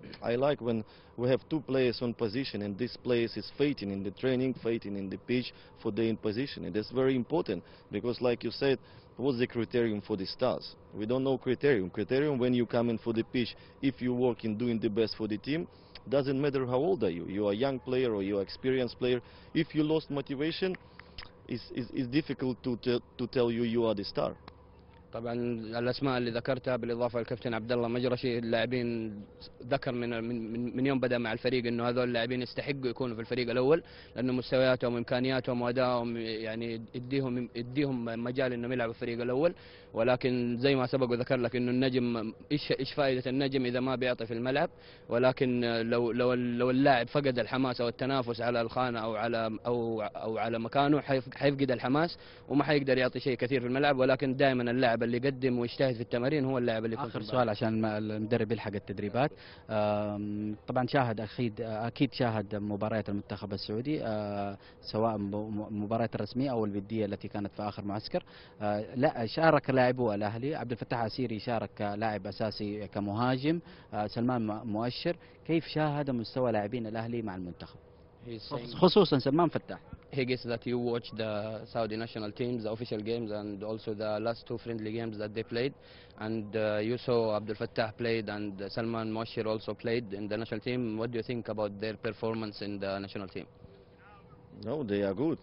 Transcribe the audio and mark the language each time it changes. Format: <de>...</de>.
<en>I like when we have two players on position and this player is fighting in the training, fighting in the pitch for their in position, and that's very important, because like you said, what's the criterion for the stars? We don't know criterion. Criterion when you come in for the pitch, if you work in doing the best for the team, doesn't matter how old are you. You are a young player or you're experienced player. If you lost motivation, is difficult to tell you are the star.</en> <ar>طبعا الاسماء اللي ذكرتها بالاضافه للكابتن عبد الله مجرشي اللاعبين ذكر من يوم بدا مع الفريق انه هذول اللاعبين يستحقوا يكونوا في الفريق الاول لانه مستوياتهم وامكانياتهم وادائهم يعني يديهم مجال انهم يلعبوا في الفريق الاول. ولكن زي ما سبق وذكر لك انه النجم ايش فائده النجم اذا ما بيعطي في الملعب. ولكن لو اللاعب فقد الحماس او التنافس على الخانه او على مكانه حيفقد الحماس وما حيقدر يعطي شيء كثير في الملعب. ولكن دائما اللاعب اللي يقدم ويجتهد في التمارين هو اللاعب اللي اخر سؤال عشان المدرب يلحق التدريبات. طبعا شاهد اكيد شاهد مباريات المنتخب السعودي سواء المباريات الرسميه او الوديه التي كانت في اخر معسكر. لا شارك لاعبو الاهلي عبد الفتاح عسيري شارك كلاعب اساسي كمهاجم، سلمان مؤشر، كيف شاهد مستوى لاعبين الاهلي مع المنتخب خصوصا سلمان فتاح؟</ar> <en>He guess that you watch the Saudi national teams, the official games, and also the last two friendly games that they played, and you saw Abdel Fattah played and Salman Moshir also played in the national team. What do you think about their performance in the national team? No, they are good.</en>